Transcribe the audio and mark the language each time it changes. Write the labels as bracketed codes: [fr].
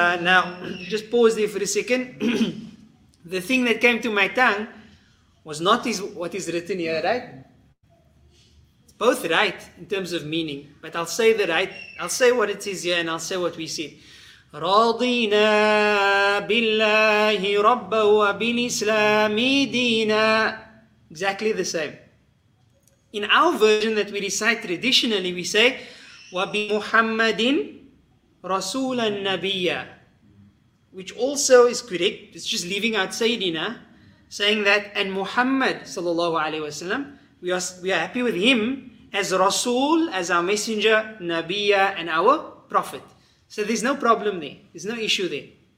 [en] Now, just pause there for a second. The thing that came to my tongue was not what is written here, right? It's both right in terms of meaning, but I'll say the right. I'll say what it is here and I'll say what we said. [ar] راضينا بالله ربا وبالإسلام دينا. [en] Exactly the same. In our version that we recite traditionally, we say [ar] وَبِمُحَمَّدٍ رَسُولَ النَّبِيَّ [en] which also is correct, it's just leaving out Sayyidina, saying that, and Muhammad sallallahu alayhi wa sallam, we are happy with him as Rasul, as our messenger, Nabiya, and our prophet. So there's no problem there, there's no issue there.